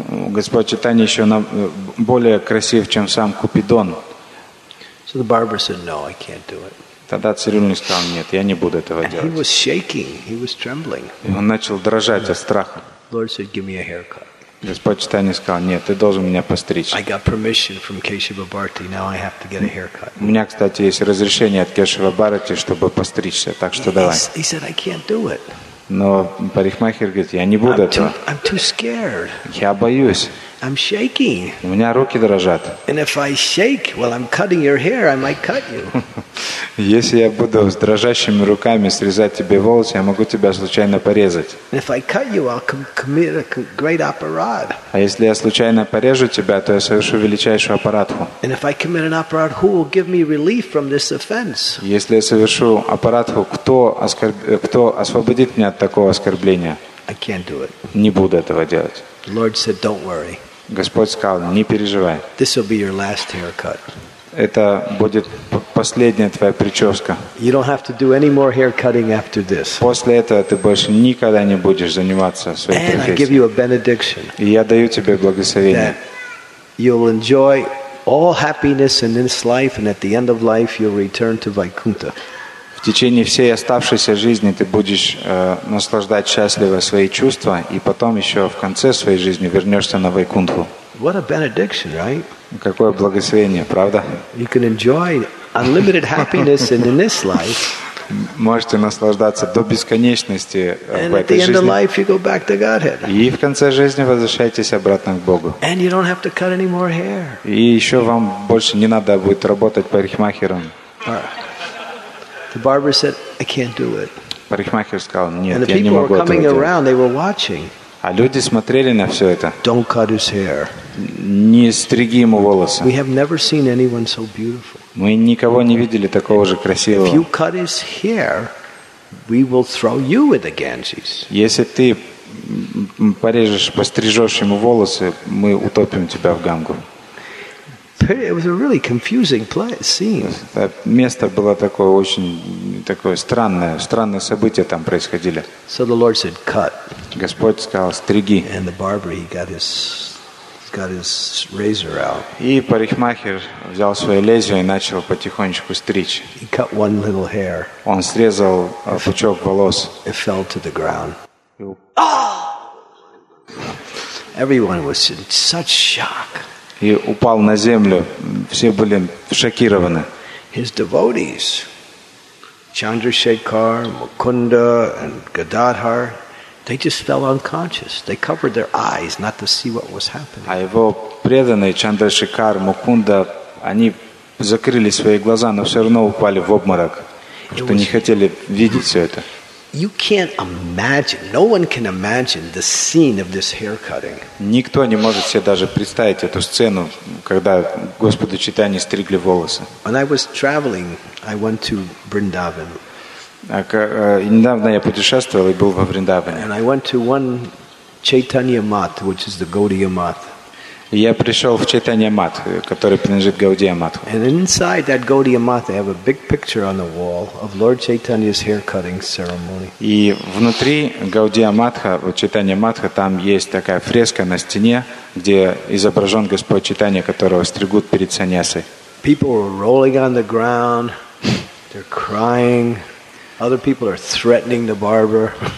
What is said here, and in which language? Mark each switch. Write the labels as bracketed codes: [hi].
[ru] Господь Чайтанья еще более красив, чем сам Купидон. [en] So the barber said, "No, I can't do it." [ru] Тогда цирюльник сказал: нет, я не буду этого делать. [en] He was shaking, he was trembling. [ru] И он начал дрожать от страха. [en] Lord said, "Give me a haircut." [ru] Господь Чайтанья сказал: нет, ты должен меня постричь. [en] I got permission from Kesava Bharati. Now I have to get a haircut. [ru] У меня, кстати, есть разрешение от Кешава Бхарати, чтобы постричься, так что давай. [en] He said, "I can't do it." [ru] Но парикмахер говорит: я не буду этого. [en] I'm too scared. [ru] Я боюсь. [en] I'm shaking. [ru] У меня руки дрожат. [en] And if I shake while I'm cutting your hair, I might cut you. [ru] Если я буду с дрожащими руками срезать тебе волосы, я могу тебя случайно порезать. [en] And if I cut you, I'll commit a great apparat. [ru] А если я случайно порежу тебя, то я совершу величайшую аппаратху. [en] And if I commit an apparat, who will give me relief from this offense? [ru] Если я совершу аппаратху, кто освободит меня от такого оскорбления? [en] I can't do it. [ru] Не буду этого делать. [en] The Lord said, "Don't worry." [ru] Господь сказал: не переживай. [en] This will be your last haircut. [ru] Это будет последняя твоя прическа. [en] You don't have to do any more haircutting after this. [ru] После этого ты больше никогда не будешь заниматься своей профессией. [en] And I give you a benediction. [ru] И я даю тебе благословение. [en] You'll enjoy all happiness in this life, and at the end of life, you'll return to Vaikuntha. [ru] В течение всей оставшейся жизни ты будешь наслаждать счастливо свои чувства, и потом еще в конце своей жизни вернешься на Вайкунтху. [en] What a benediction, right? [ru] Какое благословение, правда? [en] You can enjoy unlimited happiness in this life. [ru] Можете наслаждаться до бесконечности в этой жизни. [en] And at the end of life, you go back to Godhead. [ru] И в конце жизни возвращаетесь обратно к Богу. [en] And you don't have to cut any more hair. [ru] И еще вам больше не надо будет работать парикмахером. [en] The barber said, "I can't do it." [ru] Парикмахер сказал, нет, я не могу этого делать. [en] And the people were coming around; they were watching. [ru] А люди смотрели на все это. [en] Don't cut his hair. [ru] Не стриги ему волосы. [en] We have never seen anyone so beautiful. [ru] Мы никого не видели такого же красивого. [en] If you cut his hair, we will throw you in the Ganges. [ru] Если ты порежешь, пострижешь ему волосы, мы утопим тебя в Гангу. [en] It was a really confusing scene. [ru] Место было такое очень такое странное, странные события там происходили. [en] So the Lord said, "Cut." [ru] Господь сказал, стриги. [en] And the barber, he got his razor out. [ru] И парикмахер взял свое лезвие и начал потихонечку стричь. [en] He cut one little hair. [ru] Он срезал пучок волос. [en] It fell to the ground. Ah! Everyone was in such shock. [ru] И упал на землю. Все были шокированы. [en] His devotees, Chandrasekhar, Mukunda, and Gadadhar, they just fell unconscious. They covered their eyes not to see what was happening. [ru] А его преданные Чандрашекар, Мукунда, они закрыли свои глаза, но все равно упали в обморок, что не хотели видеть все это. [en] You can't imagine. No one can imagine the scene of this haircutting. [ru] Никто не может себе даже представить эту сцену, когда Господу Чайтанье стригли волосы. [en] When I was traveling, I went to Vrindavan. [ru] Недавно я путешествовал и был во Вриндаване. [en] And I went to one Chaitanya Math, which is the Gaudiya Math. [ru] Я пришел в Чайтанья Мат, который принадлежит Гаудия Матху. [en] And inside that Gaudiya Math, they have a big picture on the wall of Lord Chaitanya's haircutting ceremony. [ru] И внутри Гаудия Матха, вот Чайтанья Матха, там есть такая фреска на стене, где изображен Господь Чайтанья, которого стригут перед саньясой. [en] People are rolling on the ground, they're crying. Other people are threatening the barber.